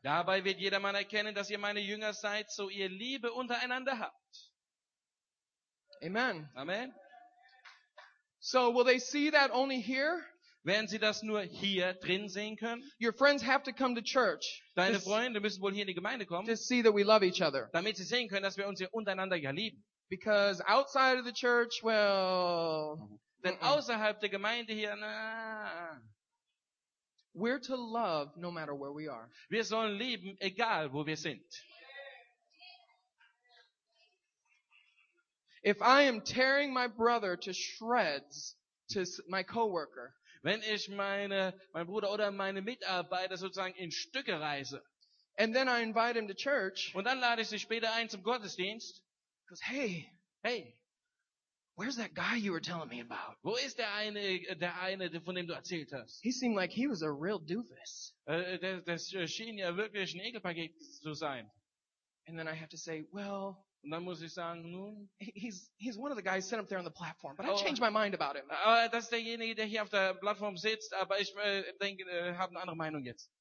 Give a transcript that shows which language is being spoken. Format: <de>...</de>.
<de>Dabei wird jedermann erkennen, dass ihr meine Jünger seid, so ihr Liebe untereinander habt.</de> <en>Amen.</en> <de>Amen.</de> <en>So will they see that only here?</en> <de>Werden sie das nur hier drin sehen können?</de> <en>Your friends have to come to church.</en> <de>Deine Freunde müssen wohl hier in die Gemeinde kommen.</de> <en>To see that we love each other.</en> <de>Damit sie sehen können, dass wir uns hier untereinander ja lieben.</de> <en>Because outside of the church, well,</en> <de>denn außerhalb der Gemeinde hier, na.</de> <en>We're to love no matter where we are.</en> <de>Wir sollen lieben, egal wo wir sind.</de> <en>If I am tearing my brother to shreds to my coworker,</en> <de>wenn ich mein Bruder oder meine Mitarbeiter sozusagen in Stücke reiße,</de> <en>and then I invite him to church,</en> <de>und dann lade ich sie später ein zum Gottesdienst,</de> <en>because hey, where's that guy you were telling me about?</en> <de>Wo ist der eine, von dem du erzählt hast?</de> <en>He seemed like he was a real doofus.</en> <de>Der schien ja wirklich ein Ekelpaket zu sein.</de> <en>And then I have to say, well.</en> <de>Und dann muss ich sagen, nun.</de> <en>He's one of the guys sent up there on the platform, but I changed my mind about him.</en> <de>Das ist derjenige, der hier auf der Plattform sitzt, aber ich denke, habe eine andere Meinung jetzt.</de>